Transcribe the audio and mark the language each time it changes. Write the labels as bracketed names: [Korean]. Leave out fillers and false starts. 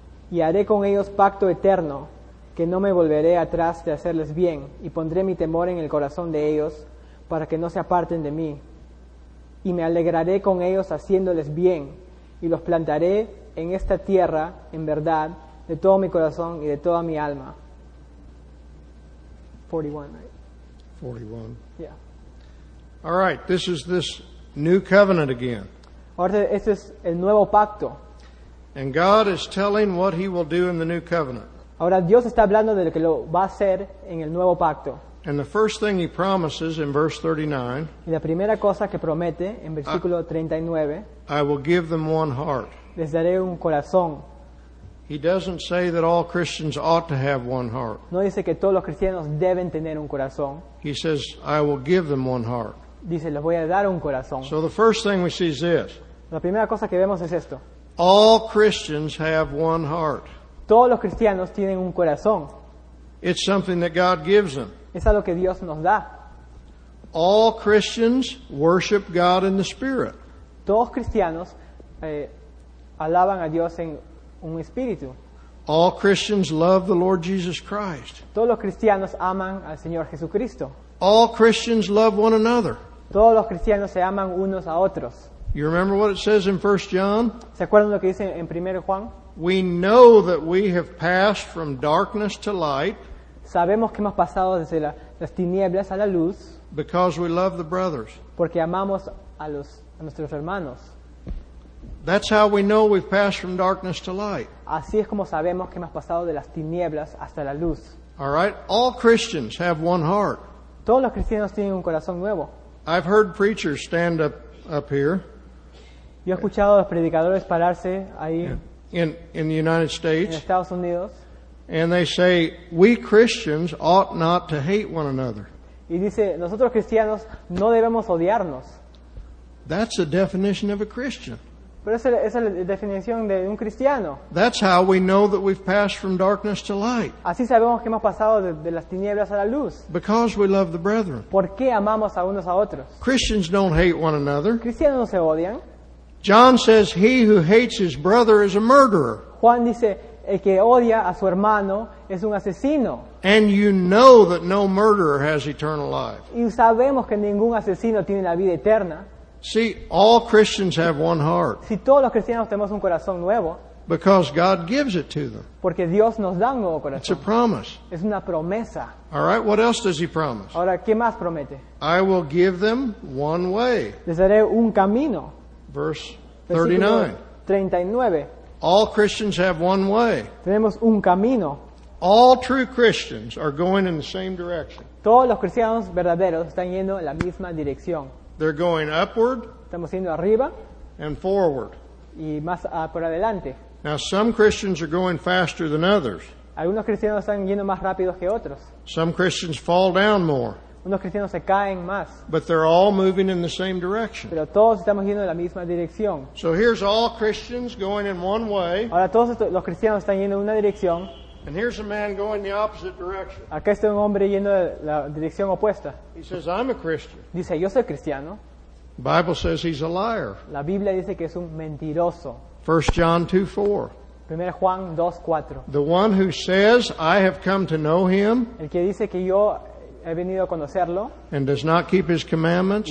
[Spanish] Y haré con ellos pacto eterno, que no me volveré atrás de hacerles bien, y pondré mi temor en el corazón de ellos, para que no se aparten de mí. Y me alegraré con ellos haciéndoles bien, y los plantaré en esta tierra, en verdad, de todo mi corazón y de toda mi alma. [English] 41, right? 41. Yeah. All right, this is this new covenant again. [Spanish] Ahora, este es el nuevo pacto. [English] And God is telling what he will do in the new covenant. [Spanish] Ahora, Dios está hablando de lo que lo va a hacer en el nuevo pacto. [English] And the first thing he promises in verse 39, [Spanish] y la primera cosa que promete en versículo 39, [English] I will give them one heart. [Spanish] Les daré un corazón. [English] He doesn't say that all Christians ought to have one heart. [Spanish] No dice que todos los cristianos deben tener un corazón. [English] He says, I will give them one heart. [Spanish] Dice, les voy a dar un corazón. [English] So the first thing we see is this. [Spanish] La primera cosa que vemos es esto. [English] All Christians have one heart. [Spanish] Todos los cristianos tienen un corazón. [English] It's something that God gives them. [Spanish] Es algo que Dios nos da. [English] All Christians worship God in the Spirit. [Spanish] Todos cristianos alaban a Dios en un espíritu. [English] All Christians love the Lord Jesus Christ. [Spanish] Todos los cristianos aman al Señor Jesucristo. [English] All Christians love one another. [Spanish] Todos los cristianos se aman unos a otros. [English] You remember what it says in 1 John? [Spanish] ¿Se acuerdan lo que dice en 1 Juan? [English] We know that we have passed from darkness to light. [Spanish] Sabemos que hemos pasado desde las tinieblas a la luz. [English] Because we love the brothers. [Spanish] Porque amamos a nuestros hermanos. [English] That's how we know we've passed from darkness to light. [Spanish] Así es como sabemos que hemos pasado de las tinieblas hasta la luz. [English] All right, all Christians have one heart. [Spanish] Todos los cristianos tienen un corazón nuevo. [English] I've heard preachers stand up here. [Spanish] Yo he escuchado a los predicadores pararse ahí [English] in the United States. [Spanish] En Estados Unidos. [English] And they say we Christians ought not to hate one another. [Spanish] Y dice, nosotros cristianos no debemos odiarnos. [English] That's the definition of a Christian. [Spanish] Pero esa es la definición de un cristiano. [English] That's how we know that we've passed from darkness to light. [Spanish] Así sabemos que hemos pasado de las tinieblas a la luz. [English] Because we love the brethren. [Spanish] Porque amamos a unos a otros. [English] Christians don't hate one another. [Spanish] Cristianos no se odian. [English] John says he who hates his brother is a murderer. [Spanish] Juan dice el que odia a su hermano es un asesino. [English] And you know that no murderer has eternal life. [Spanish] Y sabemos que ningún asesino tiene la vida eterna. [English] See, all Christians have one heart. [Spanish] Si todos los cristianos tenemos un corazón nuevo. [English] Because God gives it to them. [Spanish] Porque Dios nos da un nuevo corazón. [English] It's a promise. [Spanish] Es una promesa. [English] All right, what else does he promise? [Spanish] Ahora, ¿qué más promete? [English] I will give them one way. [Spanish] Les daré un camino. [English] Verse 39. [Spanish] 39. [English] All Christians have one way. [Spanish] Tenemos un camino. [English] All true Christians are going in the same direction. [Spanish] Todos los cristianos verdaderos están yendo en la misma dirección. [English] They're going upward. [Spanish] Estamos yendo arriba. [English] And forward. [Spanish] Y más por adelante. [English] Now some Christians are going faster than others. [Spanish] Algunos cristianos están yendo más rápido que otros. [English] Some Christians fall down more. [Spanish] Unos cristianos se caen más. [English] But they're all moving in the same direction. [Spanish] Pero todos estamos yendo en la misma dirección. [English] So here's all Christians going in one way. [Spanish] Ahora todos estos, los cristianos están yendo en una dirección. [English] And here's a man going the opposite direction. [Spanish] Acá está un hombre yendo en la dirección opuesta. [English] He says, I'm a Christian. [Spanish] Dice, yo soy cristiano. [English] The Bible says he's a liar. [Spanish] La Biblia dice que es un mentiroso. [English] 1 John 2:4. [Spanish] Primera Juan 2:4. [English] The one who says, I have come to know him. [Spanish] El que dice que yo he venido a conocerlo. [English] And does not keep his commandments.